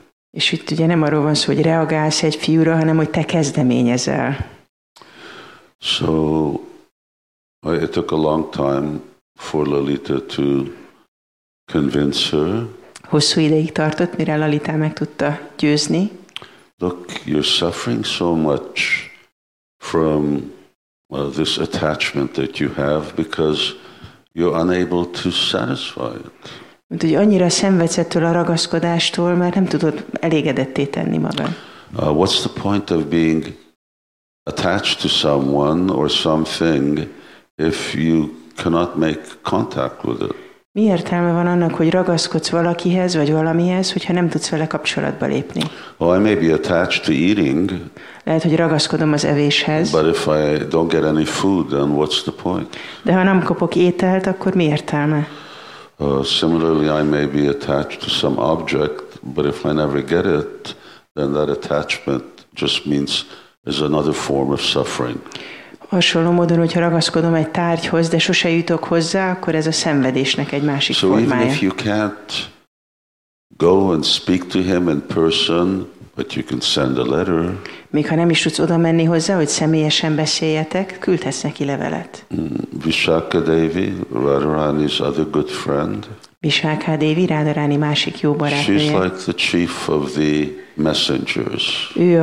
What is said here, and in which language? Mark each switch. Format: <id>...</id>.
<hu>És itt ugye nem arról van szó, hogy reagálsz egy fiúra, hanem hogy te kezdeményezel.</hu> <en>So, it took a long time for Lalita to convince her.</en> <hu>Hosszú ideig tartott, mire Lalita meg tudta győzni.</hu> <en>Look, you're suffering so much from this attachment that you have because you're unable to satisfy it.</en> <hu>Mint hogy annyira szenvedsz ettől a ragaszkodástól, mert nem tudod elégedetté tenni magad.</hu> <en>What's the point of being attached to someone or something if you cannot make contact with it?</en> <hu>Mi értelme van annak, hogy ragaszkodsz valakihez vagy valamihez, hogyha nem tudsz vele kapcsolatba lépni?</hu> <en>Well, I may be attached to eating.</en> <hu>Lehet, hogy ragaszkodom az evéshez.</hu> <en>But if I don't get any food, then what's the point?</en> <hu>De ha nem kapok ételt, akkor mi értelme?</hu> <en>Similarly, I may be attached to some object, but if I never get it, then that attachment just means is another form of suffering.</en> <hu>Hasonló módon, hogyha ragaszkodom egy tárgyhoz, de sose jutok hozzá, akkor ez a szenvedésnek egy másik</hu> <en>so</en> <hu>formája.</hu> <en>So even if you can't go and speak to him in person, but you can send a letter.</en> <hu>Még ha nem is tudsz oda menni hozzá, hogy személyesen beszéljetek, küldhetsz neki levelet.</hu> <en>Vishakha Devi, Radharani's other good friend.</en> <hu>Vishakha Devi, Radharani másik jó barátnője.</hu> <en>She's like the chief of the messengers.</en>